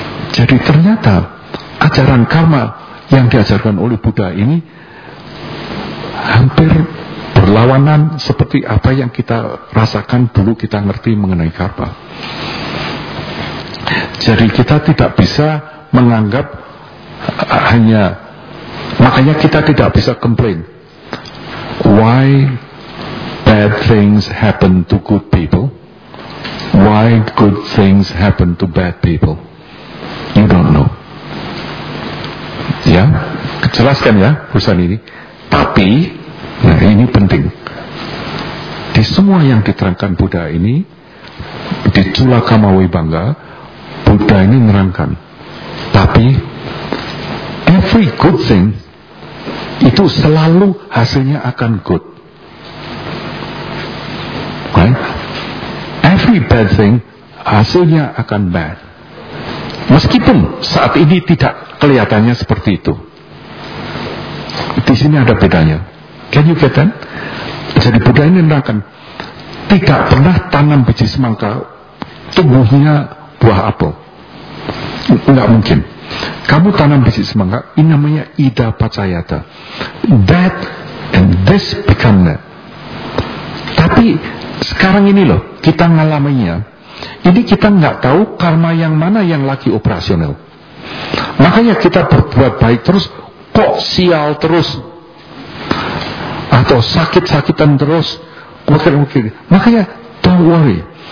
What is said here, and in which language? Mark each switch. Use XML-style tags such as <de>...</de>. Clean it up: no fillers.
<id>Jadi ternyata ajaran karma yang diajarkan oleh Buddha ini hampir berlawanan seperti apa yang kita rasakan dulu kita ngerti mengenai karma. Jadi kita tidak bisa menganggap hanya, makanya kita tidak bisa complain.</id> <en>Why bad things happen to good people? Why good things happen to bad people? You don't know.</en> <id>Ya, jelaskan ya urusan ini. Tapi, nah ini penting. Di semua yang diterangkan Buddha ini, di Culakamawi Bangga, Buddha ini menerangkan. Tapi,</id> <en>every good thing</en> <id>itu selalu hasilnya akan good.</id> <en>Right? Every bad thing</en> <id>hasilnya akan</id> <en>bad.</en> <id>Meskipun saat ini tidak kelihatannya seperti itu. Di sini ada bedanya.</id> <en>Can you get that?</en> <id>Jadi Buddha ini menerangkan, tidak pernah tanam biji semangka tumbuhnya buah apel. Enggak mungkin. Kamu tanam biji semangka, ini namanya ida pacayata.</id> <en>That and this become that.</en> <id>Tapi sekarang ini loh, kita ngalaminya. Ini kita gak tahu karma yang mana yang lagi operasional. Makanya kita berbuat baik terus, kok sial terus. Atau sakit-sakitan terus. Mungkin. Makanya</id> <en>don't worry.</en>